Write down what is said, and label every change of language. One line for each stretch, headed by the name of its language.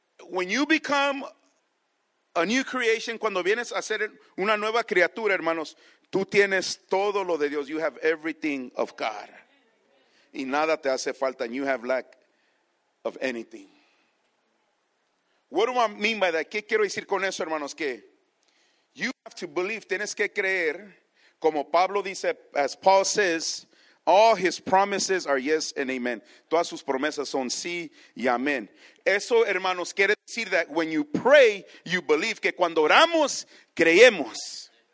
English: When you become a new creation,
Spanish: cuando vienes a ser una nueva criatura, hermanos, tú tienes todo lo de Dios.
English: You have everything of God.
Spanish: Y nada te hace falta.
English: And you have lack of anything. What do I mean by that?
Spanish: ¿Qué quiero decir con eso, hermanos?
English: Que you have to believe.
Spanish: Tienes que creer. Como Pablo dice,
English: as Paul says, all his promises are yes and amen.
Spanish: Todas sus promesas son sí y amén. Eso, hermanos, quiere decir
English: that when you pray, you believe.
Spanish: Que cuando oramos, creemos.